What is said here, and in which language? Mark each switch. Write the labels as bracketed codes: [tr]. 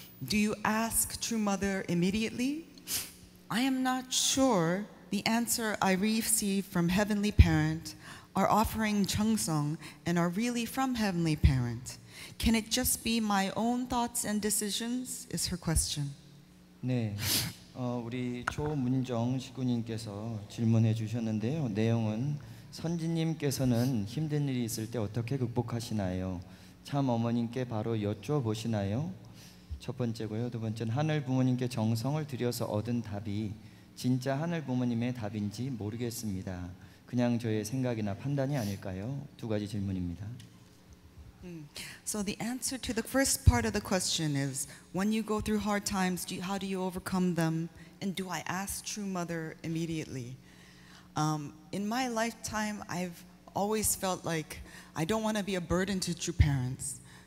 [en] Do you ask True Mother immediately? I am not sure the answer I receive from Heavenly Parent are offering Chungsong and are really from Heavenly Parent. Can it just be my own thoughts and decisions? Is her question. [ko] 네. 우리 조문정 식구님께서 질문해 주셨는데요. 내용은 선지님께서는 힘든 일이 있을 때 어떻게 극복하시나요? 참 어머님께 바로 여쭤보시나요? 첫 번째고요. 두 번째는 하늘 부모님께 정성을 들여서 얻은 답이 진짜 하늘 부모님의 답인지 모르겠습니다. 그냥 저의 생각이나 판단이 아닐까요? 두 가지 질문입니다. [en] So the answer to the first part of the question is, when you go through hard times, how do you overcome them? And do I ask True Mother immediately? In my lifetime, I've always felt like I don't want to be a burden to True Parents.